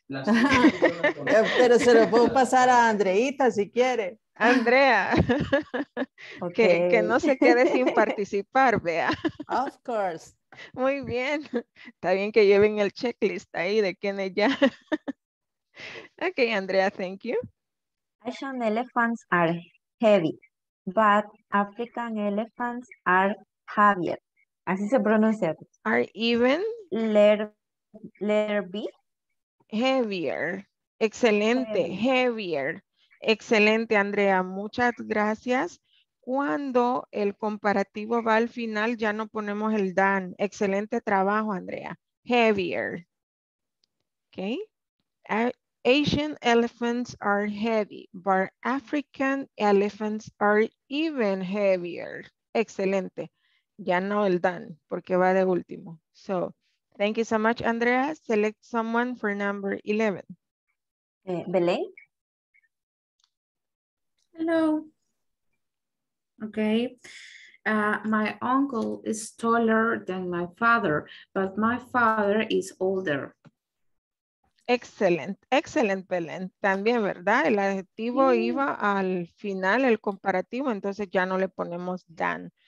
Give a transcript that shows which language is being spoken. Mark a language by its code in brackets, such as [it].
[es] Pero se lo puedo pasar a Andreita si quiere. Andrea. Okay. Que no se quede sin participar, vea. [en] Of course. [es] Muy bien. Está bien que lleven el checklist ahí de quién es ya. [en] Ok, Andrea, thank you. Asian elephants are heavy, but African elephants are heavier. [es] Así se pronuncia. [en] Are even. Letter B. Heavier. Excelente. Heavier. [es] Excelente, Andrea. Muchas gracias. Cuando el comparativo va al final, ya no ponemos el than. Excelente trabajo, Andrea. Heavier. Okay. [en] Asian elephants are heavy, but African elephants are even heavier. [es] Excelente. Ya no el Dan, porque va de último. [en] So, thank you so much, Andrea. Select someone for number 11. Belén. Hello. Okay. My uncle is taller than my father, but my father is older. Excellent, excellent, Belén. [es] También, ¿verdad? El adjetivo iba al final, el comparativo, entonces ya no le ponemos Dan.